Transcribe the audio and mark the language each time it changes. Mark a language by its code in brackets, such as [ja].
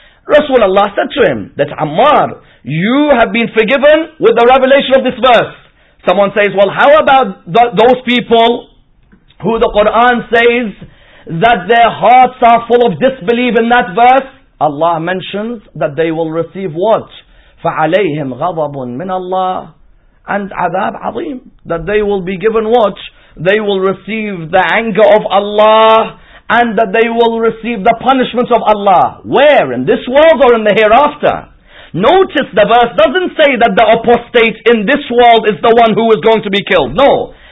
[en] Rasulullah said to him, that Ammar, you have been forgiven with the revelation of this verse. Someone says, well, how about those people who the Quran says that their hearts are full of disbelief in that verse? Allah mentions that they will receive what? [ar] فَعَلَيْهِمْ غَضَبٌ مِنَ اللَّهِ and عَذَابْ عَظِيمٌ. [en] That they will be given what? They will receive the anger of Allah, and that they will receive the punishment of Allah. Where? In this world or in the hereafter? Notice the verse doesn't say that the apostate in this world is the one who is going to be killed. No.